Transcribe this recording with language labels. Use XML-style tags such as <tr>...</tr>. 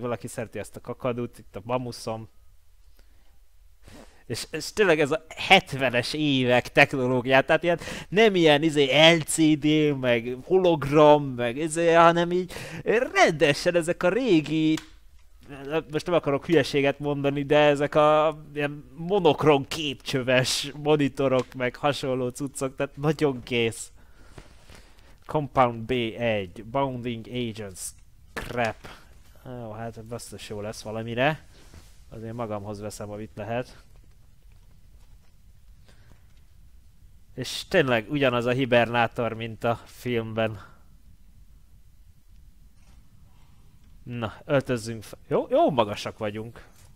<hu>Valaki szereti ezt a kakadút. Itt a bamuszom. És tényleg ez a 70-es évek technológiát, tehát ilyen, nem ilyen LCD, meg hologram, meg hanem így rendesen ezek a régi, most nem akarok hülyeséget mondani, de ezek a ilyen monokrom képcsöves monitorok, meg hasonló cuccok, tehát nagyon kész.</hu> <en>Compound B1, Bounding Agents, crap.</en> <hu>Ó, hát basszus jó lesz valamire. Azért magamhoz veszem, amit lehet. És tényleg ugyanaz a hibernátor, mint a filmben. Na, öltözzünk fel. Jó, jó magasak vagyunk.</hu>